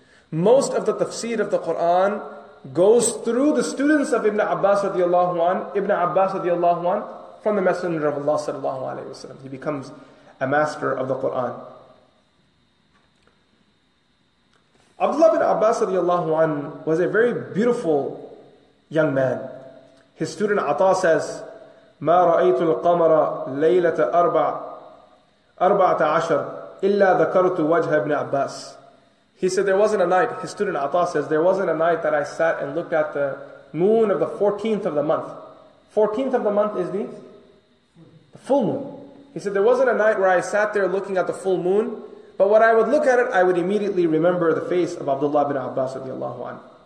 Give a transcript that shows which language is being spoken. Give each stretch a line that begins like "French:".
English: Most of the tafsir of the Quran goes through the students of Ibn Abbas radiallahu anhu, from the Messenger of Allah sallallahu alayhi wa sallam. He becomes a master of the Quran. Abdullah bin Abbas radiallahu anhu was a very beautiful young man. His student Ata says,
Arabic: مَا رَأَيْتُ الْقَمَرَ لَيْلَةَ أَرْبَعَةَ عَشَرَ إِلَّا ذَكَرْتُ وَجْهَ بْنِ عَبَّاسِ.
English: He said there wasn't a night, his student Ata says, there wasn't a night that I sat and looked at the moon of the 14th of the month. 14th of the month is the full moon. He said there wasn't a night where I sat there looking at the full moon, but when I would look at it, I would immediately remember the face of Abdullah bin Abbas radiallahu anhu.